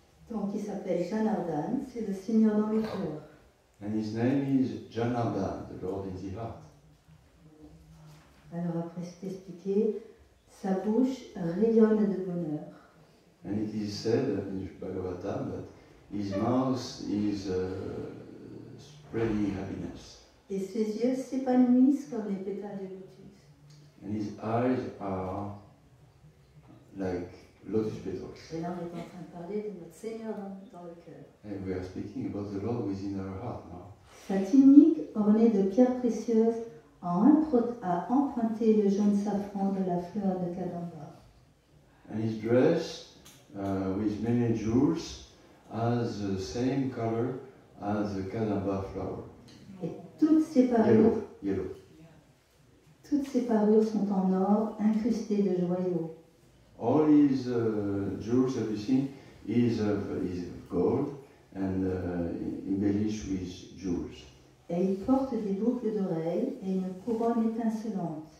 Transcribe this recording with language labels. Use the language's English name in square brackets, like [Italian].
[French] Donc il s'appelle Janardhan, c'est le Seigneur dans le cœur. [English] And his name is Janardhan, the Lord in the heart. [French] Alors après c'est expliqué, sa bouche rayonne de bonheur. [English] And it is said in Bhagavatam that his mouth is spreading happiness. [French] Et ses yeux s'épanouissent comme les pétales de lotus. [English] And his eyes are like lotus petals. [French] Et là on est en train de parler de notre Seigneur dans le cœur. [English] And we are speaking about the Lord within our heart now. [French] Sa tunique ornée de pierres précieuses a emprunté le jaune safran de la fleur de Kadamba. [English] And his dress, with many jewels, has the same color as the Kadamba flower. [French] Et toutes ses parures. [English] Yellow. [French] Toutes ses parures sont en or, incrustées de joyaux. [English] All his jewels, everything, is gold and embellished with jewels. [French] Et il porte des boucles d'oreilles et une couronne étincelante.